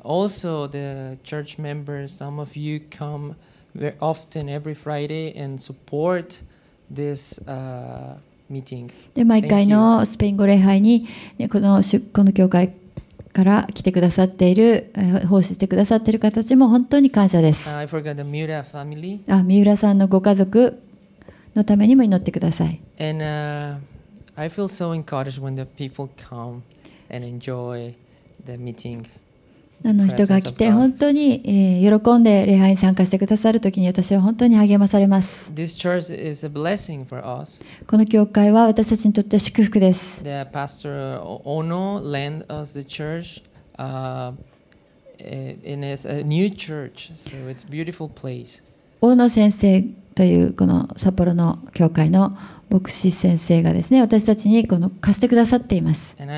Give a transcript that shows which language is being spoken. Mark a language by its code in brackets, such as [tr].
[en] Also, the church members, some of you come very often every Friday and support this meeting. [ja] で、毎回のスペイン語礼拝に、この教会から来てくださっている奉仕してくださっている方たちも本当に感謝です。 [en] I forgot the Miura family. [ja] あ、三浦さんのご家族のためにも祈ってください。 [en] And I feel so encouraged when the people come and enjoy the meeting. [ja] 人が来て本当に喜んで礼拝に参加してくださるときに私は本当に励まされます。 [en] This church is a blessing for us. [ja] この教会は私たちにとって祝福です。 [en] The pastor Ono lent us the church, and it's a new church, so it's a beautiful place. [ja] Ono 先生というこの札幌の教会の牧師先生がですね、私たちにこの貸してくださっています。